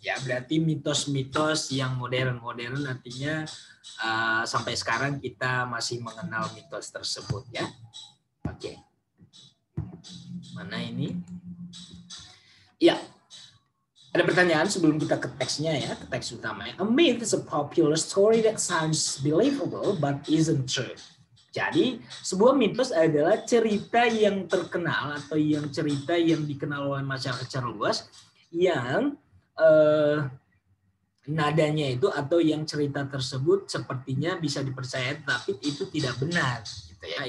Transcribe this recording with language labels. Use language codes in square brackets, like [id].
[id] Ya, berarti mitos-mitos yang modern-modern nantinya sampai sekarang kita masih mengenal mitos tersebut ya. Oke. Mana ini? Ya. Ada pertanyaan sebelum kita ke teksnya ya, ke teks utamanya. [en] A myth is a popular story that sounds believable but isn't true. [id] Jadi, sebuah mitos adalah cerita yang terkenal atau yang cerita yang dikenal oleh masyarakat secara luas yang nadanya itu atau yang cerita tersebut sepertinya bisa dipercaya tapi itu tidak benar gitu ya.